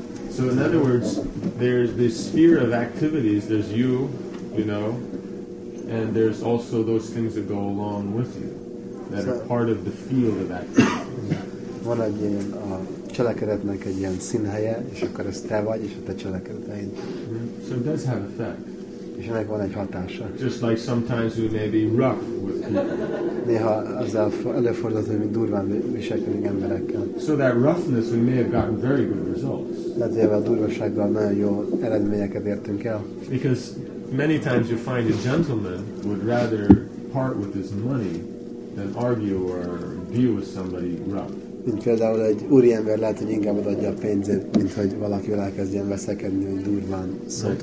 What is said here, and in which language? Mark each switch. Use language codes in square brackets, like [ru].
[en] So in other words, there's this sphere of activities, there's you, you know, and there's also those things that go along with you that are part of the field of activity. [hu] Van egy ilyen a cselekedetnek egy ilyen színhelye, és akkor ez te vagy, és a te cselekedeteid. [en] So it does have effect. [hu] És ennek van egy hatása. [en] Just like sometimes we may be rough with people. [hu] Néha azzal előfordulhat, hogy mi durván viselkedünk emberekkel. [en] So that roughness, we may have gotten very good results. [hu] Lehet, hogy ebben a durvasággal nagyon jó eredményeket értünk el. [en] Because many times you find a gentleman would rather part with his money than argue or deal with somebody rough. [hu] Mint például egy úriember lehet, hogy inkább adja a pénzét, mint hogy valaki elkezdjen veszekedni, hogy durván szót